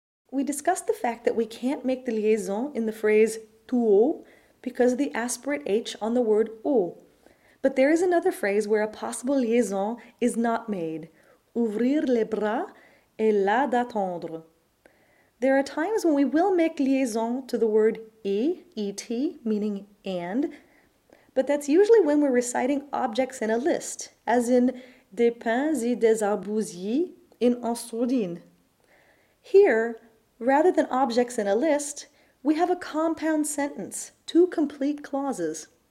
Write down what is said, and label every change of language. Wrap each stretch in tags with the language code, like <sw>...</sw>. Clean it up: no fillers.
<en>We discussed the fact that we can't make the liaison in the phrase tout haut because of the aspirate H on the word haut. But there is another phrase where a possible liaison is not made.</en> <fr>Ouvrir les bras et là d'attendre.</fr> <en>There are times when we will make liaison to the word et, meaning and, but that's usually when we're reciting objects in a list, as in</en> <fr>des pins et des arbousiers</fr> <en>in en sourdine. Here, rather than objects in a list, we have a compound sentence, two complete clauses.</en>